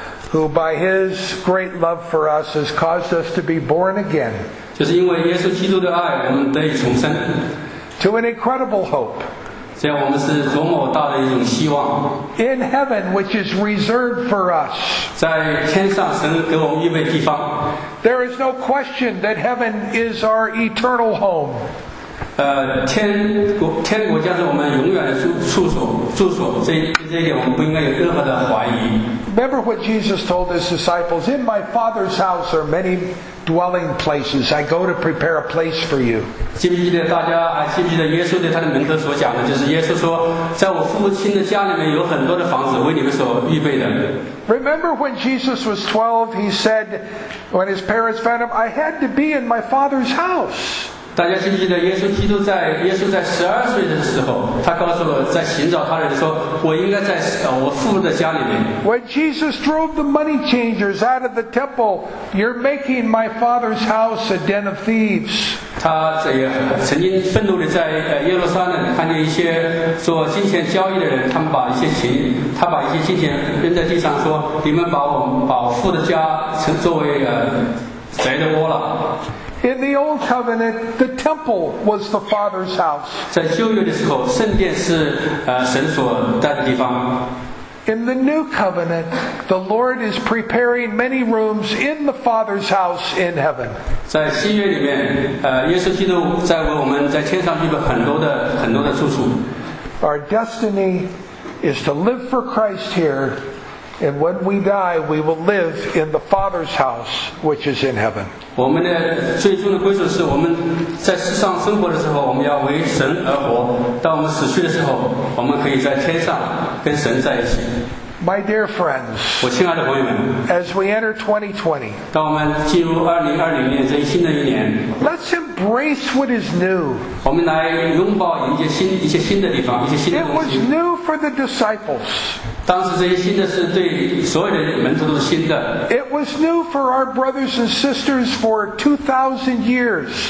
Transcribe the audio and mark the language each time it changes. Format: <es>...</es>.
<en>Who by his great love for us has caused us to be born again.</en> <zh>就是因为耶稣基督的爱，我们得以重生。</zh> <en>To an incredible hope.</en> <zh>这样我们是多么大的一种希望。</zh> <en>In heaven, which is reserved for us.</en> <zh>在天上神给我们预备地方。</zh> <en>There is no question that heaven is our eternal home.</en> <zh>天国家是我们永远的住所，这一点我们不应该有任何的怀疑。</zh> <en>Remember what Jesus told his disciples, In my Father's house are many dwelling places. I go to prepare a place for you.</en> <zh>记不记得耶稣对他的门徒所讲的，就是耶稣说，在我父亲的家里面有很多的房子为你们所预备的。</zh> <en>Remember when Jesus was 12, he said, when his parents found him, I had to be in my Father's house.</en> <zh>大家记不记得耶稣在12岁的时候，他告诉我在寻找他的人说，我应该在我父的家里面。</zh> <en>When Jesus drove the money changers out of the temple, you're making my Father's house a den of thieves.</en> <zh>他曾经愤怒地在耶路撒冷看见一些做金钱交易的人，他把一些金钱扔在地上说，你们把我父的家作为贼的窝了。</zh> <en>In the Old Covenant, the temple was the Father's house.</en> <zh>在旧约的时候，圣殿是神所在的地方。</zh> <en>In the New Covenant, the Lord is preparing many rooms in the Father's house in heaven.</en> <zh>在新约里面，耶稣基督在为我们在天上预备很多的住处。</zh> <en>Our destiny is to live for Christ here, and when we die, we will live in the Father's house, which is in heaven.</en> <zh>我们的最终的归属是我们在世上生活的时候，我们要为神而活。当我们死去的时候，我们可以在天上跟神在一起。</zh> <en>My dear friends,</en> <zh>我亲爱的朋友们</zh> <en>，As we enter 2020,</en> <zh>当我们进入2020年这一新的一年</zh> <en>，Let's embrace what is new.</en> <zh>我们来拥抱一些新的地方，一些新的东西。</zh> <en>It was new for the disciples.</en> <zh>当时这些新的是对所有的门徒都是新的。</zh> <en>It was new for our brothers and sisters for 2,000 years.</en>